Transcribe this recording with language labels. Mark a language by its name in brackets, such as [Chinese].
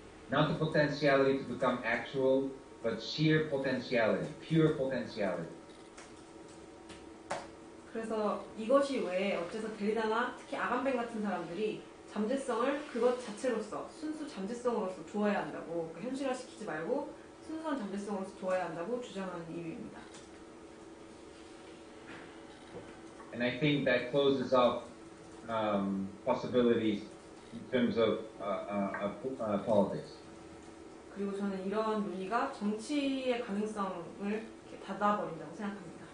[English] Not the potentiality to become actual, but sheer potentiality, pure potentiality. [Korean] 그래서 이것이 왜 어째서 데리다나 특히 아감벤 같은 사람들이 잠재성을 그것 자체로서 순수 잠재성으로서 두어야 한다고 그러니까 현실화시키지 말고 순수한 잠재성으로서 두어야 한다고 주장하는 이유입니다. [English] And I think that closes off possibilities in terms of politics. [Korean] 그리고 저는 이런 논의가 정치의 가능성을 닫아버린다고 생각합니다.